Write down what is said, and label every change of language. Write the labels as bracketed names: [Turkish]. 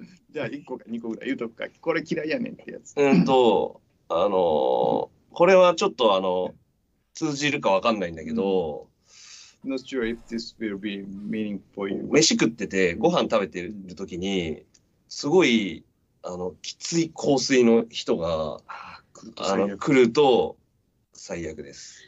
[Japanese] じゃあ1個か2個ぐらい言うとくか。これ嫌いやねんってやつ。これはちょっとあの通じるかわかんないんだけど、 [English] Not sure if this will be meaning for you. [Japanese] 飯食っててご飯食べてる時にすごいあのきつい香水の人が来ると最悪です。